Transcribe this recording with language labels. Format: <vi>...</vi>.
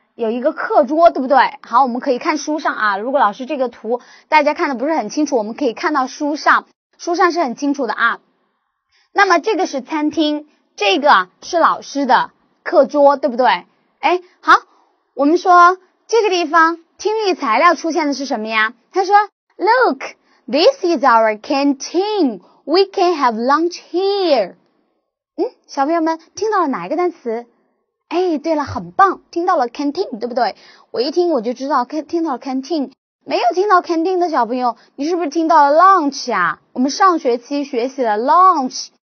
<zh>有一个课桌，对不对？好，我们可以看书上啊。如果老师这个图大家看的不是很清楚，我们可以看到书上是很清楚的啊。那么这个是餐厅，这个是老师的课桌，对不对？哎，好，我们说这个地方听力材料出现的是什么呀？他说。</zh> <en>Look, this is our canteen. We can have lunch here.</en> <zh>小朋友们听到了哪一个单词？哎，对了，很棒，听到了 canteen, 对不对？我一听我就知道听到了 canteen。没有听到 canteen 的小朋友，你是不是听到了 lunch 啊？我们上学期学习了 lunch。</zh>